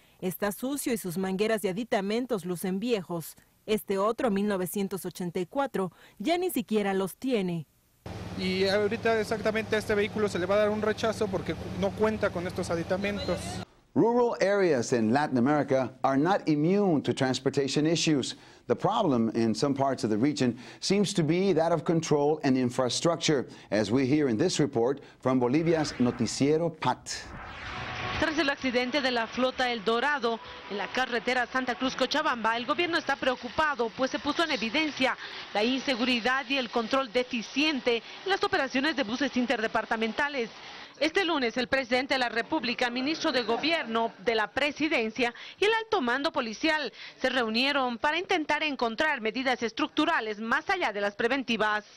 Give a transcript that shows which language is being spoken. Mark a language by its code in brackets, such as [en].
[es] Está sucio y sus mangueras y aditamentos lucen viejos. Este otro, 1984, ya ni siquiera los tiene. Y ahorita exactamente a este vehículo se le va a dar un rechazo porque no cuenta con estos aditamentos. [en] Rural areas in Latin America are not immune to transportation issues. The problem in some parts of the region seems to be that of control and infrastructure, as we hear in this report from Bolivia's Noticiero PAT. [es] Tras el accidente de la flota El Dorado en la carretera Santa Cruz-Cochabamba, el gobierno está preocupado, pues se puso en evidencia la inseguridad y el control deficiente en las operaciones de buses interdepartamentales. Este lunes, el presidente de la República, ministro de Gobierno de la Presidencia y el alto mando policial se reunieron para intentar encontrar medidas estructurales más allá de las preventivas.